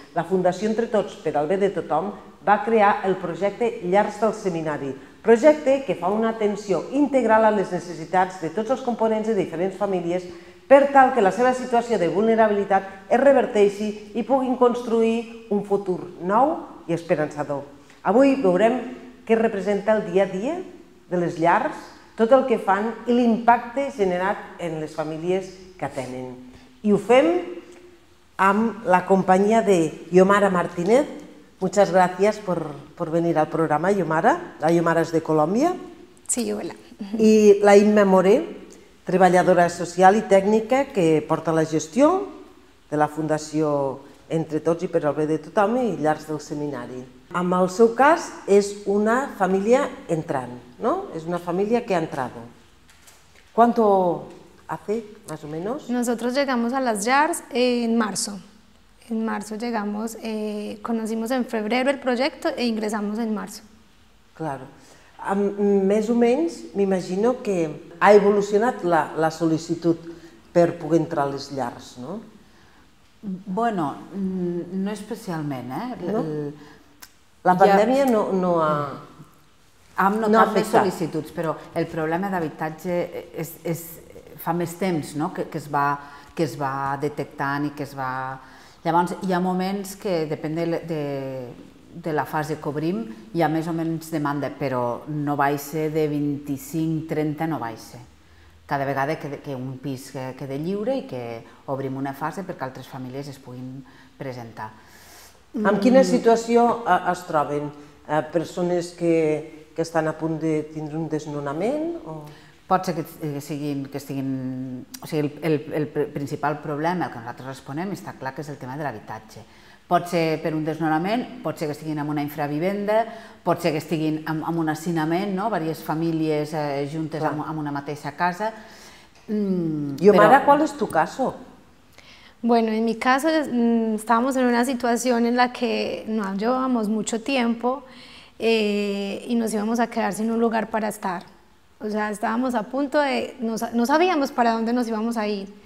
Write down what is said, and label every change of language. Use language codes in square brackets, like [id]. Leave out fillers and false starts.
[ca] La Fundació Entre Tots per al Bé de Tothom va crear el projecte Llars del Seminari, projecte que fa una atenció integral a les necessitats de tots els components de diferents famílies per tal que la seva situació de vulnerabilitat es reverteixi i puguin construir un futur nou i esperançador. Avui veurem què representa el dia a dia de les llars, tot el que fan i l'impacte generat en les famílies que tenen. I ho fem amb la companyia de Yomara Martínez. [es] Muchas gracias por venir al programa, Yomara. [ca] La Yomara és de Colòmbia. Sí, hola. I la Imma Moré, treballadora social i tècnica que porta la gestió de la Fundació Entre Tots i per al Bé de Tothom i Llars del Seminari. En el seu cas és una família entrant, no? És una família [es] que ha entrado. ¿Cuánto hace, más o menos? Nosotros llegamos a las Llars en marzo. En marzo llegamos, conocimos en febrero el proyecto e ingresamos en marzo. Claro. [ca] Més o menys, m'imagino que ha evolucionat la sol·licitud per poder entrar a les Llars, no? Bueno, no especialment, eh? No? La pandèmia no ha afectat. Hem notat més sol·licituds, però el problema d'habitatge és fa més temps, no? que es va detectant i que es va... Llavors, hi ha moments que, depèn de la fase que obrim, hi ha més o menys demanda, però no baixa de 25-30, no baixa. Cada vegada que un pis quede lliure i que obrim una fase perquè altres famílies es puguin presentar. En quina situació es troben persones que estan a punt de tindre un desnonament? O... Pot ser que estiguin... O sigui, el principal problema, el que nosaltres responem, està clar que és el tema de l'habitatge. Pot ser per un desnonament, pot ser que estiguin en una infravivenda, pot ser que estiguin en un hacinament, no? Vàries famílies juntes en una mateixa casa. I Omar, però... [es] qual és tu caso? Bueno, en mi caso estábamos en una situación en la que no llevábamos mucho tiempo y nos íbamos a quedar sin un lugar para estar. O sea, estábamos a punto de... No sabíamos para dónde nos íbamos a ir.